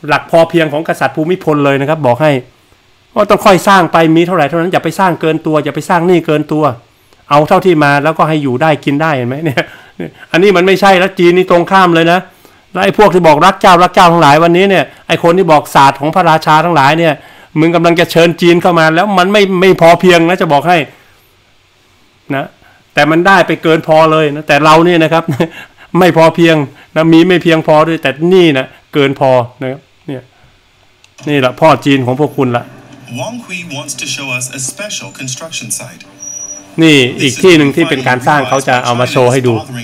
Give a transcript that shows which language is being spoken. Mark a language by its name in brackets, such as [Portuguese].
[Thai] พอเพียงของกษัตริย์ภูมิพลเลยนะครับบอกให้ว่าต้องค่อยสร้างไปมีเท่าไหร่เท่านั้นอย่าไปสร้างเกินตัวอย่าไปสร้างนี่เกินตัวเอาเท่าที่มาแล้วก็ให้อยู่ได้กินได้เห็นไหมเนี่ยอันนี้มันไม่ใช่แล้วจีนนี่ตรงข้ามเลยนะไอ้พวกที่บอกรักเจ้าทั้งหลายวันนี้เนี่ยไอ้คนที่บอกศาสตร์ของพระราชาทั้งหลายเนี่ยมึงกำลังจะเชิญจีนเข้ามาแล้วมันไม่พอเพียงนะจะบอกให้ นะแต่มันได้ไปเกินพอเลยนะแต่เราเนี่ยนะครับไม่พอเพียงนะมีไม่เพียงพอด้วยแต่นี่นะเกินพอนะครับนี่แหละพ่อจีนของพวกคุณละ [English] Wang Hui wants to show us a special construction site [Thai] นี่อีกที่นึงที่เป็นการสร้างเขาจะเอามาโชว์ให้ดู